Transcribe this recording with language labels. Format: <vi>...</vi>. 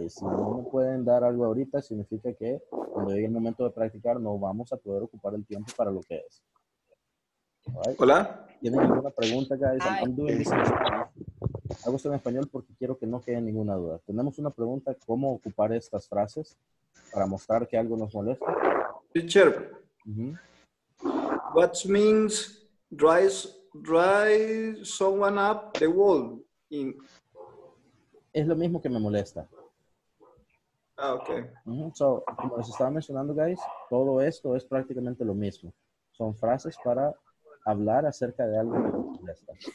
<es>Y si no me pueden dar algo ahorita, significa que cuando llegue el momento de practicar, no vamos a poder ocupar el tiempo para lo que es.</es> <en>Right. Hola.</en> <es>¿Tienen alguna pregunta,</es> <en>guys? I'm doing this in Spanish.</en> <es>Hago esto en español porque quiero que no quede ninguna duda. Tenemos una pregunta: ¿cómo ocupar estas frases para mostrar que algo nos molesta?</es> <en>Teacher. What means drive someone up the wall in?</en> <es>Es lo mismo que me molesta.</es> <en>Ah, okay.</en> <es>So, como les estaba mencionando, guys, todo esto es prácticamente lo mismo. Son frases para hablar acerca de algo que me molesta.</es>